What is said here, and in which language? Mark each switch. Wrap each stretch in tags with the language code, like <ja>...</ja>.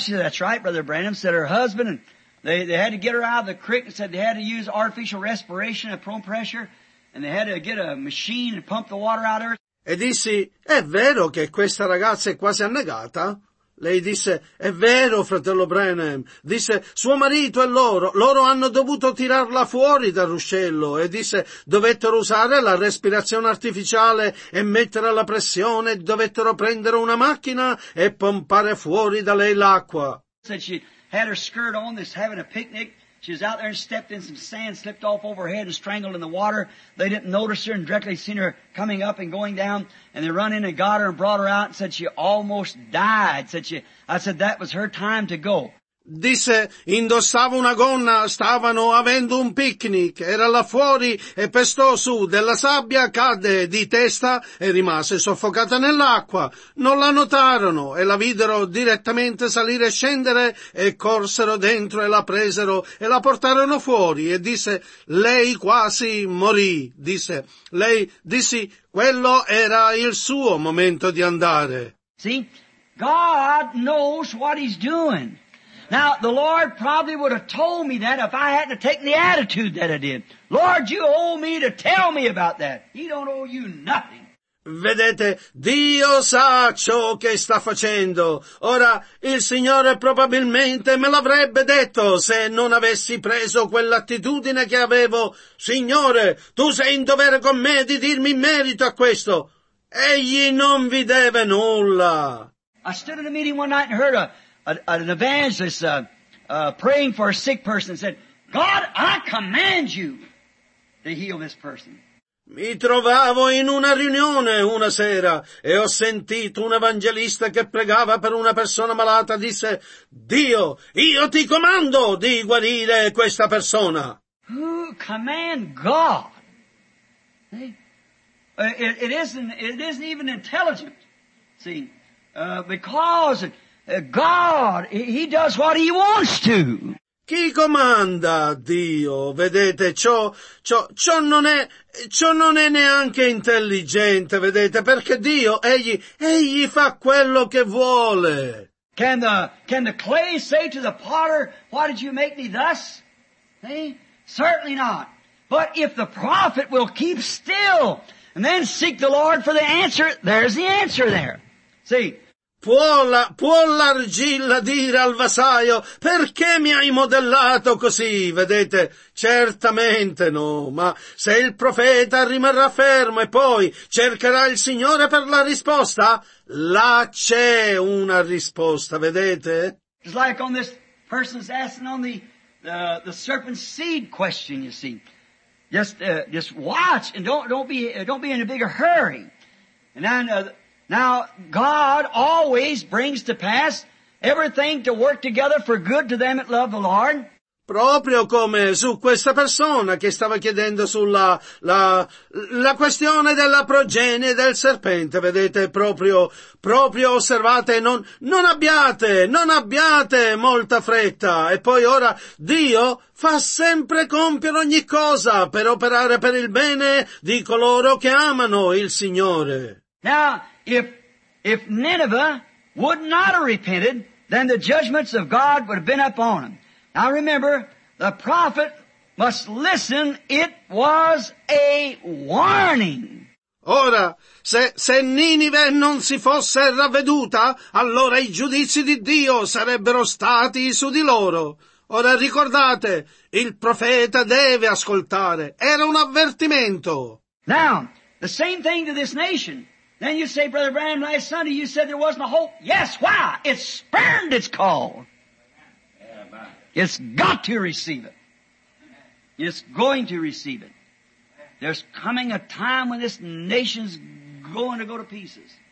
<en>She said, that's right, Brother Branham. Said her husband, and they had to get her out of the creek and said they had to use artificial respiration at prone pressure, and they had to get a machine and pump the water out of her.</en> <it>E dissi, è vero che questa ragazza è quasi annegata? Lei disse, è vero, fratello Branham. Disse, suo marito e loro hanno dovuto tirarla fuori dal ruscello. E disse, dovettero usare la respirazione artificiale e mettere la pressione, dovettero prendere una macchina e pompare fuori da lei l'acqua.</it> <en>Said she had her skirt on, this having a picnic. She was out there and stepped in some sand, slipped off over her head and strangled in the water. They didn't notice her and directly seen her coming up and going down. And they run in and got her and brought her out and said she almost died. I said that was her time to go.</en> <it>Disse, indossava una gonna, stavano avendo un picnic, era là fuori e pestò su della sabbia, cadde di testa e rimase soffocata nell'acqua. Non la notarono e la videro direttamente salire e scendere e corsero dentro e la presero e la portarono fuori e disse, lei quasi morì. Dissi, quello era il suo momento di andare.</it> <en>See, God knows what He's doing. Now, the Lord probably would have told me that if I hadn't taken the attitude that I did. Lord, You owe me to tell me about that. He don't owe you nothing.</en> <it>Vedete, Dio sa ciò che sta facendo. Ora, il Signore probabilmente me l'avrebbe detto se non avessi preso quell'attitudine che avevo. Signore, Tu sei in dovere con me di dirmi in merito a questo. Egli non vi deve nulla.</it> <en>I stood in a meeting one night and heard an evangelist praying for a sick person and said, God, I command you to heal this person.</en> <it>Mi trovavo in una riunione una sera e ho sentito un evangelista che pregava per una persona malata. Disse, Dio, io ti comando di guarire questa persona.</it> <en>Who command God? It isn't even intelligent. See, because God, He does what He wants to.</en> <it>Chi comanda Dio? Vedete, ciò non è neanche intelligente, vedete, perché Dio, egli fa quello che vuole.</it> <en>Can the clay say to the potter, why did you make me thus? Certainly not. But if the prophet will keep still and then seek the Lord for the answer, there's the answer there. See?</en> <it>Può l'argilla dire al vasaio, perché mi hai modellato così, vedete? Certamente no, ma se il profeta rimarrà fermo e poi cercherà il Signore per la risposta, là c'è una risposta, vedete?</it> <en>It's like on this person's asking on the serpent's seed question, you see. Just watch and don't be in a big hurry. Now, God always brings to pass everything to work together for good to them that love the Lord.</en> <it>Proprio come su questa persona che stava chiedendo sulla la questione della progenie del serpente, vedete, proprio osservate, non abbiate molta fretta. E poi ora Dio fa sempre compiere ogni cosa per operare per il bene di coloro che amano il Signore.</it> <en>Now, if Nineveh would not have repented, then the judgments of God would have been upon them. Now remember, the prophet must listen. It was a warning.</en> <it>Ora, se Ninive non si fosse ravveduta, allora i giudizi di Dio sarebbero stati su di loro. Ora ricordate, il profeta deve ascoltare. Era un avvertimento.</it> <en>Now, the same thing to this nation. Then you say, Brother Branham, last Sunday you said there wasn't a hope. Yes, why? It spurned its call. It's got to receive it. It's going to receive it. There's coming a time when this nation's going to go to pieces.</en>